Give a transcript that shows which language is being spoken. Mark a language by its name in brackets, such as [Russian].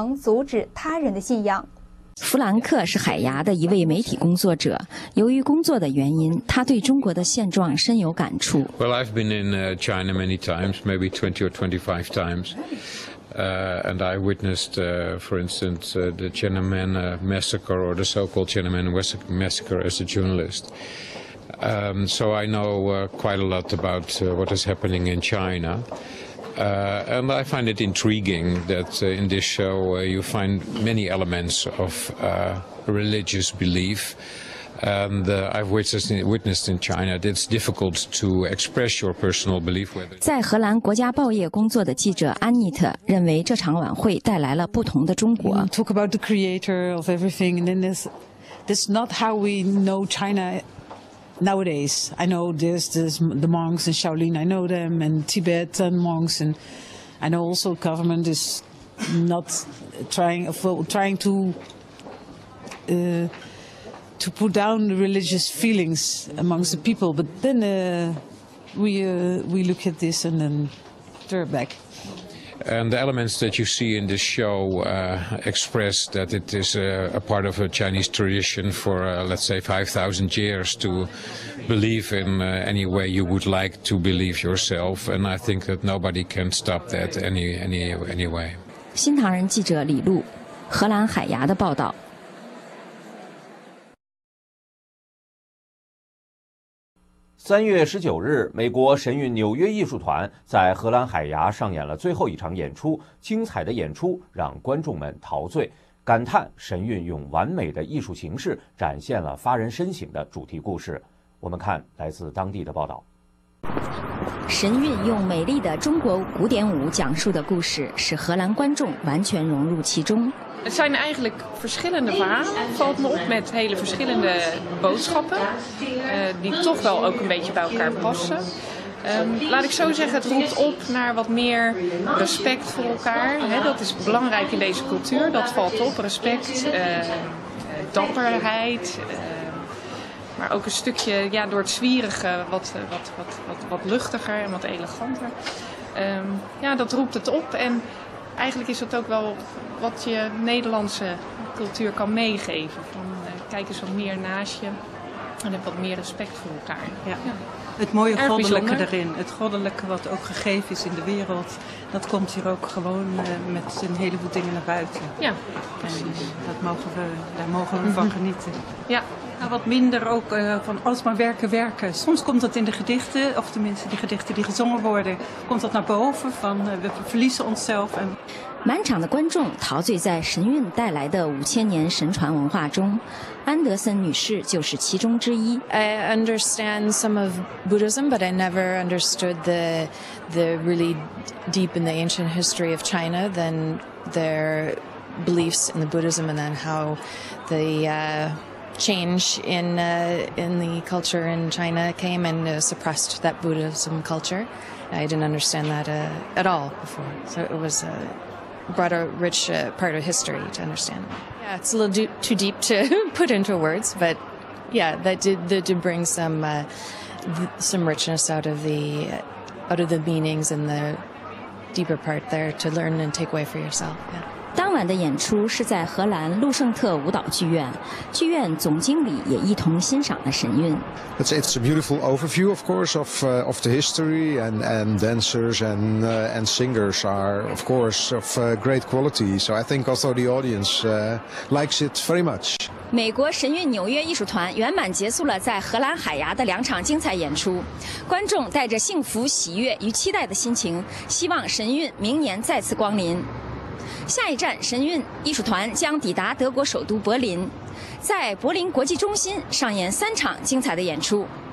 [Chinese] 荷兰的两位媒体人在观看了3月18号美国神韵纽约艺术团在海牙的演出后表示，演出呈现了5000年的传统文化，对于中国的现状也深有体会。他还表示，没有任何人能阻止他人的信仰。弗兰克是海牙的一位媒体工作者，由于工作的原因，他对中国的现状深有感触。 [English] Well, I've been in China many times, maybe 20 or 25 times. And I witnessed, for instance, the Tiananmen massacre, or the so-called Tiananmen massacre, as a journalist. So I know quite a lot about what is happening in China. And I find it intriguing that in this show you find many elements of religious belief. And I've witnessed in China that it's difficult to express your personal belief. [Chinese] 在荷兰国家报业工作的记者安妮特认为，这场晚会带来了不同的中国。 [English] Talk about the creator of everything, and then this not how we know China nowadays. I know there's the monks in Shaolin, I know them, and Tibetan monks, and I know also government is not trying to. To put down the religious feelings amongst the people, but then we look at this and then turn back. And the elements that you see in this show express that it is a part of a Chinese tradition for, let's say, 5,000 years to believe in any way you would like to believe yourself, and I think that nobody can stop that any way. [Chinese] 新唐人记者李璐，荷兰海牙的报道。 3月19日，美国神韵纽约艺术团在荷兰海牙上演了最后一场演出，精彩的演出让观众们陶醉，感叹神韵用完美的艺术形式展现了发人深省的主题故事。我们看来自当地的报道。神韵用美丽的中国古典舞讲述的故事，使荷兰观众完全融入其中。 [Dutch] Het zijn eigenlijk verschillende verhalen, valt me op, met hele verschillende boodschappen, die toch wel ook een beetje bij elkaar passen. Laat ik zo zeggen, het roept op naar wat meer respect voor elkaar. He, dat is belangrijk in deze cultuur, dat valt op. Respect, dapperheid, maar ook een stukje ja, door het zwierige wat luchtiger en wat eleganter. Ja, dat roept het op en... Eigenlijk is dat ook wel wat je Nederlandse cultuur kan meegeven. Van, kijk eens wat meer naast je en heb wat meer respect voor elkaar. Ja. Ja. Het mooie erg goddelijke bijzonder. Erin, het goddelijke wat ook gegeven is in de wereld, dat komt hier ook gewoon met een heleboel dingen naar buiten. Ja, precies. Dat mogen we, daar mogen we van genieten. Ja. Nou, wat minder ook van alsmaar werken, werken. Soms komt dat in de gedichten, of tenminste die gedichten die gezongen worden, komt dat naar boven van we verliezen onszelf. En... [Chinese] 满场的观众陶醉在神韵带来的五千年神传文化中，安德森女士就是其中之一。 [English] I understand some of Buddhism, but I never understood the really deep in the ancient history of China than their beliefs in the Buddhism and then how the change in the culture in China came and suppressed that Buddhism culture. I didn't understand that at all before. So it was a broader, rich part of history to understand. Yeah, it's a little too deep to put into words, but yeah, that did bring some richness out of the meanings and the deeper part there to learn and take away for yourself. Yeah. [Chinese] 当晚的演出是在荷兰路圣特舞蹈剧院，剧院总经理也一同欣赏了神韵。 [English] It's a beautiful overview, of course, of the history, and dancers and singers are, of course, of great quality. So I think also the audience likes it very much. [Chinese] 美国神韵纽约艺术团圆满结束了在荷兰海牙的两场精彩演出，观众带着幸福、喜悦与期待的心情，希望神韵明年再次光临。下一站神韵艺术团将抵达德国首都柏林，在柏林国际中心上演三场精彩的演出。